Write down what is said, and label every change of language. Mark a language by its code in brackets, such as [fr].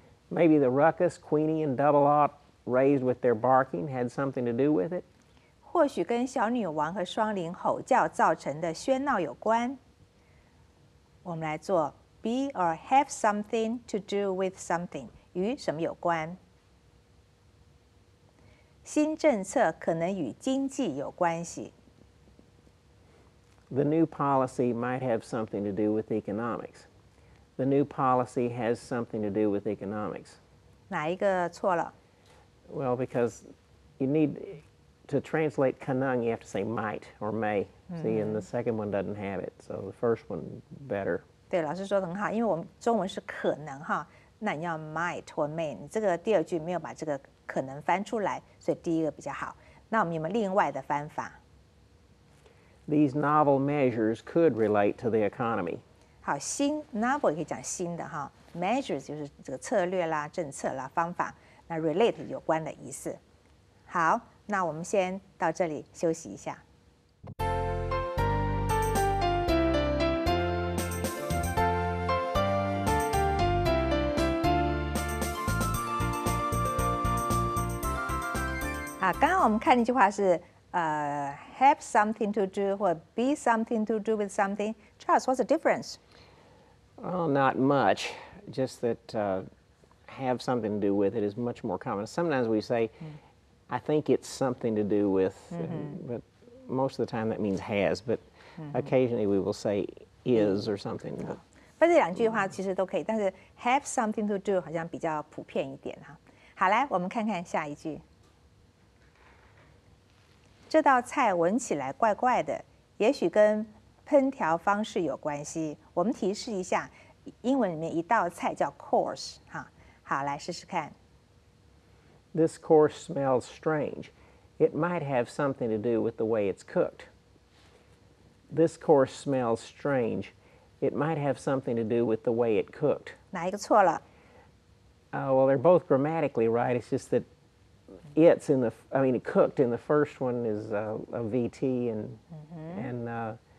[en] Maybe the ruckus Queenie and Double Ought raised with their barking had something to do with it. [zh] 或许跟小女王和双灵吼叫造成的喧闹有关。我们来做 [en] be or have something to do with something [zh] 与什么有关？新政策可能与经济有关系。 [en] The new policy might have something to do with economics. The new policy has something to do with economics. [zh] 哪一个错了？ [en] Well, because you need to translate 可能, you have to say might or may.、Mm-hmm. See, and the second one doesn't have it, so the first one better. [zh] 对，老师说得很好，因为我们中文是可能哈，那你要 [en] might or may, [zh] 你这个第二句没有把这个可能翻出来，所以第一个比较好。那我们有没有另外的翻法？ [en] These novel measures could relate to the economy. [zh] 好，新 novel 也可以讲新的哈 ，measures 就是这个策略啦、政策啦、方法，那 relate 有关的意思。好，那我们先到这里休息一下。好，刚刚我们看那句话是 [en] have something to do [zh] 或 [en] be something to do with something。 Charles, what's the difference? Well, not much. Just that、have something to do with it is much more common. Sometimes we say,、mm-hmm. I think it's something to do with,、mm-hmm. but most of the time that means has, but、mm-hmm. occasionally we will say is or something. But、 oh. [zh] 这两句话其实都可以、mm-hmm. 但是 [en] have something to do [zh] 好像比较普遍一点。好，来我们看看下一句。这道菜闻起来怪怪的，也许跟烹调方式有关系。我们提示一下，英文里面一道菜叫 course， 哈，好，来试试看。 [en] This course smells strange. It might have something to do with the way it's cooked. This course smells strange. It might have something to do with the way it cooked. [zh] 哪一个错了？ [en] Well, they're both grammatically right. It's just that it's in the, I mean, cooked in the first one is a VT and、mm-hmm. and.